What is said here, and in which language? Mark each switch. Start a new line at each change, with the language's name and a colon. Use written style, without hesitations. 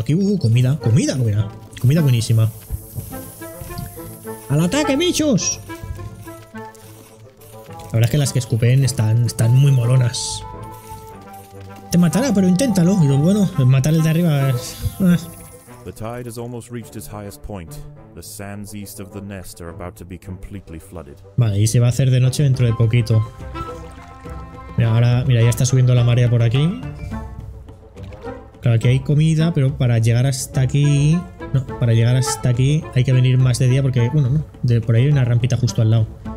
Spanish: Aquí, comida. Comida buena. Comida buenísima. ¡Al ataque, bichos! La verdad es que las que escupen están muy molonas. Te matará, pero inténtalo. Y lo bueno, matar el de arriba.
English: The tide has almost reached its highest point. The sands east of the nest are about to be completely flooded.
Spanish: Vale, y se va a hacer de noche dentro de poquito. Mira, ahora, mira, ya está subiendo la marea por aquí. Claro, aquí hay comida, pero para llegar hasta aquí... No, para llegar hasta aquí hay que venir más de día porque, bueno, no, de por ahí hay una rampita justo al lado.